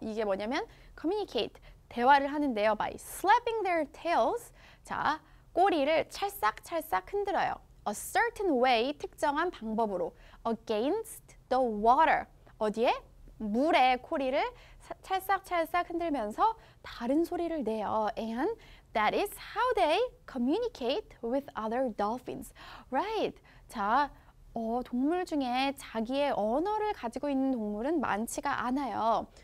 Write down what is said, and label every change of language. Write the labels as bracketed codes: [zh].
[ko] 이게 뭐냐면 [en] communicate. [ko] 대화를 하는데요. [en] By slapping their tails. [ko] 자, 꼬리를 찰싹찰싹 흔들어요. [en] A certain way, [ko] 특정한 방법으로. [en] Against the water. [ko] 어디에? 물에 꼬리를 찰싹찰싹 흔들면서 다른 소리를 내요. [en] And that is how they communicate with other dolphins. Right. [ko] 자, 동물 중에 자기의 언어를 가지고 있는 동물은 많지가 않아요.